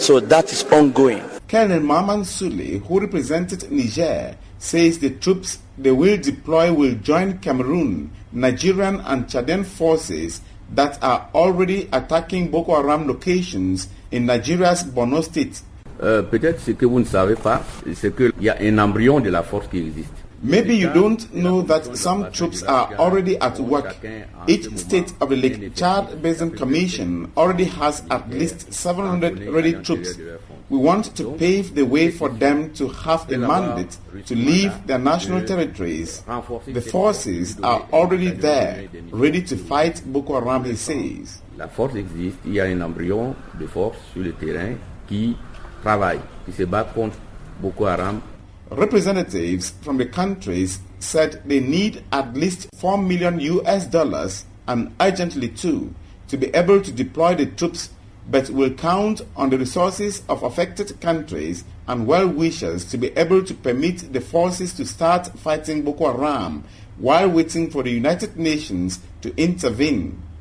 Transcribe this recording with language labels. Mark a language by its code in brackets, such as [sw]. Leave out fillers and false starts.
[en] So that is ongoing. Colonel Mahaman Souli, who represented Niger, says the troops they will deploy will join Cameroon, Nigerian and Chadian forces that are already attacking Boko Haram locations in Nigeria's Borno state. [fr] Peut-être ce que vous ne savez pas, c'est que il y a un embryon de la force qui existe. [en] Maybe you don't know that some troops are already at work. Each state of the Lake Chad Basin Commission already has at least 700 ready troops. We want to pave the way for them to have a mandate to leave their national territories. The forces are already there, ready to fight Boko Haram, he says. [fr] La force existe, il y a un embryon de force sur le terrain qui travaille, qui se bat contre Boko Haram. [en] Representatives from the countries said they need at least $4 million, and urgently too, to be able to deploy the troops, but will count on the resources of affected countries and well-wishers to be able to permit the forces to start fighting Boko Haram while waiting for the United Nations to intervene.